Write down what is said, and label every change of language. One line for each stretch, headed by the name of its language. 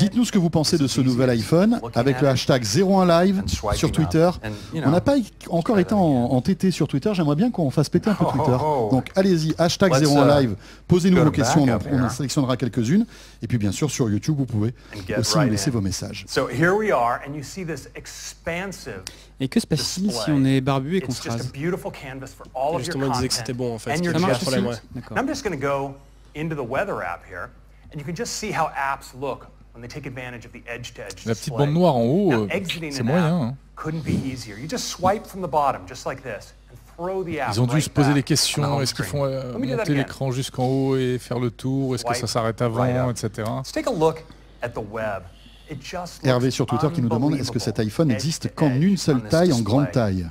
French: dites-nous ce que vous pensez de ce nouvel iPhone avec le hashtag 01Live sur Twitter. On n'a pas encore été entêté sur Twitter, j'aimerais bien qu'on fasse péter un peu Twitter. Donc allez-y, hashtag 01Live, posez-nous vos questions, on en sélectionnera quelques-unes. Et puis bien sûr, sur YouTube, vous pouvez aussi nous laisser vos messages.
English: So here we are, and you see this expansive.
French: Et que se passe-t-il si on est barbu et qu'on se rase ? Justement, on disait que c'était bon en fait. Ça marche aussi. D'accord.
English: I'm just going to go into the weather app here. And you can just see how apps look when they take advantage of the edge-to-edge display.
French: La petite bande noire en haut, c'est moyen.
English: Couldn't be easier. You just swipe from the bottom, just like this, and throw the app.
French: Ils ont dû se poser des questions. Est-ce qu'ils font monter l'écran jusqu'en haut et faire le tour? Est-ce que ça s'arrête avant, etc.
English: Let's take a look at the web.
French: Hervé sur Twitter qui nous demande est-ce que cet iPhone n'existe qu'en une seule taille, en grande taille.